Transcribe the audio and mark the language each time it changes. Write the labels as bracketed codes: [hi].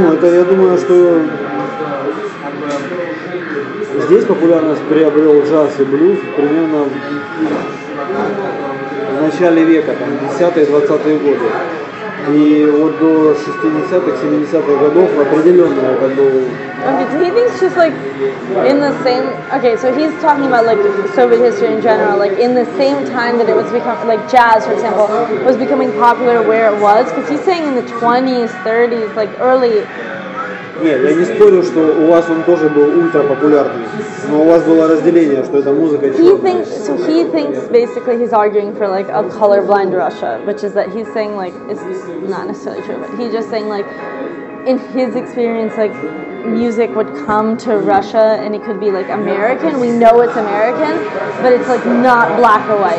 [ru] Ну, это я думаю, что здесь популярность приобрел джаз и блюз примерно в начале века, там, 10-20-е годы. И вот до 60-х, 70-х годов определенно это был... [en] Okay, so he thinks just like in the same... Okay, so he's talking about like Soviet history in general. Like in the same time that it was becoming... Like jazz, for example, was becoming popular where it was. Because he's saying in the 20s, 30s, like early... [ru] Нет, я не спорю, что у вас он тоже был ультрапопулярный. Но у вас было разделение, что эта музыка... [en] He thinks, basically, he's arguing for like a colorblind Russia. Which is that he's saying like... It's not necessarily true, but he's just saying like... in his experience, like, music would come to Russia and it could be like American. We know it's American, but it's like not black or white.